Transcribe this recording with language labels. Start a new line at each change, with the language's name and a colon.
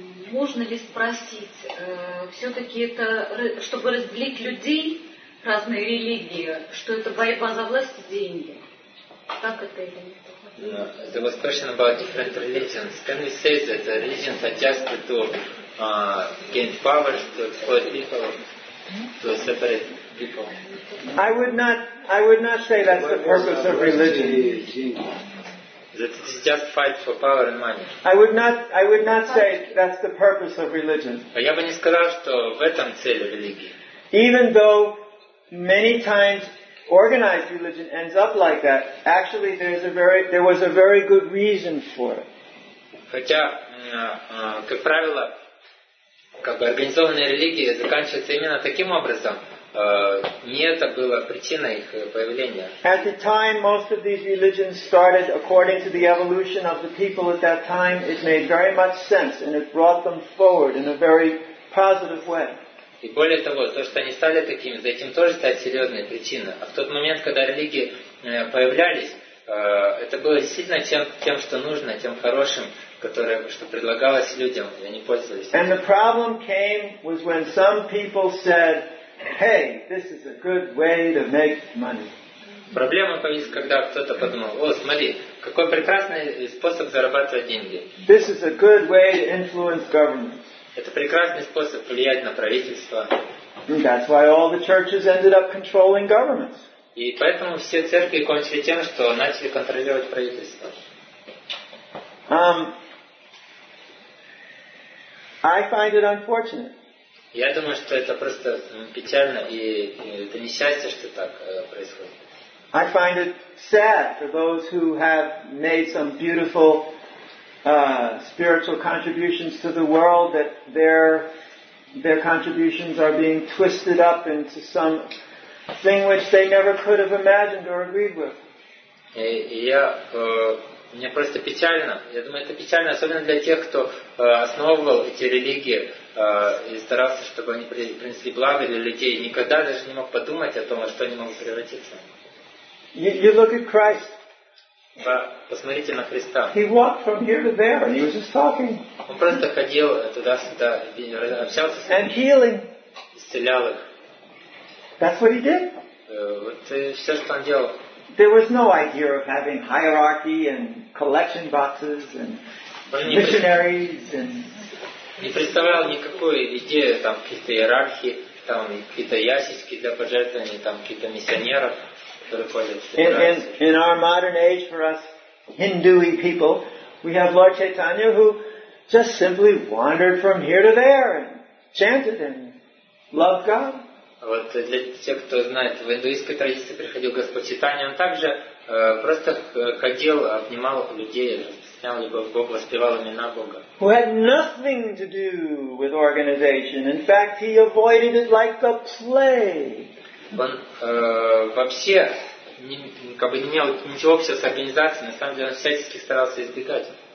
Russian: Можно ли спросить, все-таки это, чтобы разделить людей, разные религии, что это борьба за власть и деньги? Как это или нет?
English: The question about different religions. Can we say that religions are just to gain power, to exploit people, to separate people? I would not say that's the purpose of religion. That it is just fight for power and money. I would not say that's the purpose of religion.
Russian: Я бы не сказал, что в этом цель религии.
English: Even though many times organized religion ends up like that, actually there was a very good reason for it.
Russian: Хотя, как правило, как бы организованные религии заканчиваются именно таким образом. Не это было причиной их появления.
English: At the time most of these religions started, according to the evolution of the people at that time, it made very much sense and it brought them forward in a very positive way.
Russian: И более того, то, что они стали такими, за этим тоже стоит серьезная причина. А в тот момент, когда религии появлялись, это было действительно тем, что нужно, тем хорошим, которое, что предлагалось людям, и они пользовались этим.
English: And the problem came was when some people said, hey, this is a good way to make money.
Russian: Проблема появилась, когда кто-то подумал, о, смотри, какой прекрасный способ зарабатывать деньги.
English: This is a good way to influence government.
Russian: Это прекрасный способ влиять на правительство.
English: That's why all the churches ended up controlling governments.
Russian: И поэтому все церкви кончили тем, что начали контролировать правительство.
English: I find it unfortunate.
Russian: Я думаю, что это просто печально, и это несчастье, что так происходит.
English: I find it sad for those who have made some beautiful spiritual contributions to the world that their contributions are being twisted up into some thing which they never could have imagined or agreed with.
Russian: И я Мне просто печально. Я думаю, это печально, особенно для тех, кто основывал эти религии и старался, чтобы они принесли благо для людей. Никогда даже не мог подумать о том, во что они могут превратиться.
English: You look at Christ.
Russian: Посмотрите на Христа.
English: He walked from here to there, and he was just talking.
Russian: Он просто ходил туда-сюда, общался с ними.
English: And healing.
Russian: Исцелял их.
English: That's what he did.
Russian: Вот все, что он делал.
English: There was no idea of having hierarchy and collection boxes and missionaries and.
Russian: Не представлял никакой идеи там какие-то иерархии, там какие-то ящички для пожертвований, там какие-то миссионеров.
English: In our modern age, for us Hindu-y people, we have Lord Chaitanya who just simply wandered from here to there and chanted and loved God.
Russian: Вот для тех, кто знает, в индуистской традиции приходил Господь Чайтанья, он также просто ходил, обнимал людей, снял любовь к Богу, воспевал имена Бога.
English: Who had nothing to do with organization. In fact, he avoided it like the plague.
Russian: Он вообще не, как бы не имел ничего общего с организацией, на самом деле он всячески старался избегать.